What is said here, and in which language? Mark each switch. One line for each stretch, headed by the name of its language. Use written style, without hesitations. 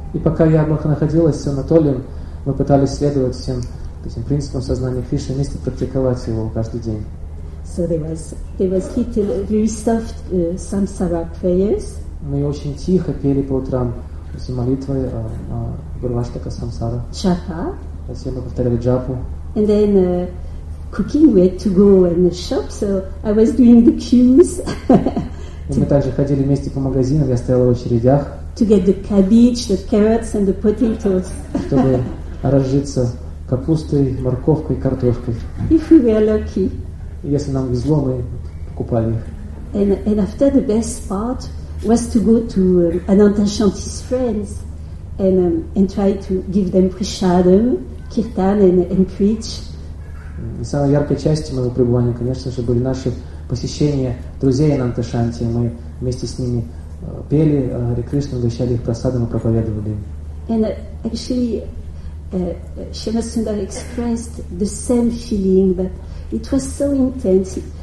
Russian: И пока я находилась с Анатолием, мы пытались следовать всем этим принципам сознания Кришны, вместе практиковать его каждый день.
English: So there was little, very soft samsara prayers.
Russian: Мы очень тихо пели по утрам эти молитвы Гурваштака Самсара. Чапа. Затем мы повторяли джапу.
English: And then cooking, we had to go in the shop, so I was doing the queues.
Russian: И мы также ходили вместе по магазинам, я стояла в очередях.
English: To get the cabbage, the carrots and the potatoes.
Russian: Чтобы разжиться капустой, морковкой, картошкой.
English: If we were lucky.
Russian: Если нам везло, мы покупали их.
English: And after the best part was to go to Anantashanti's friends and try to give them prasadam, kirtan and preach.
Russian: И самой яркой частью моего пребывания, конечно же, были наши посещения друзей Ананташанти. Мы вместе с ними пели Hare Krishna, угощали их прасадам и проповедовали им.
English: And actually, Shemasundar expressed the same feeling, but it was so intense.